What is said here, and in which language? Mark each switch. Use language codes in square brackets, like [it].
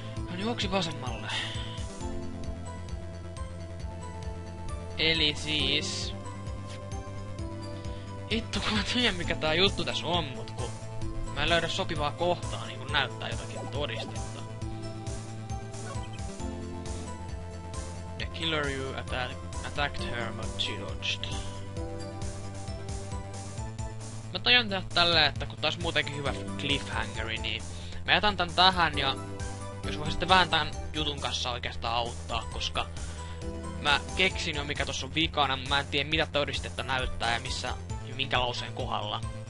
[fi] Hän juoksi vasemmalle. Eli siis hitto, kun mä tiedän mikä tää juttu tässä on, mut kun mä en löydä sopivaa kohtaa niinku näyttää jotakin todistetta. [en] The killer you attacked her, but she dodged. [fi] Mä tajun tehdä tälleen, että kun tää olisi muutenkin hyvä cliffhangeri, niin mä jätän tän tähän ja jos voi sitten vähän tämän jutun kanssa oikeastaan auttaa, koska mä keksin jo mikä tossa on vikana, mä en tiedä mitä todistetta näyttää ja missä, ja minkä lauseen kohdalla.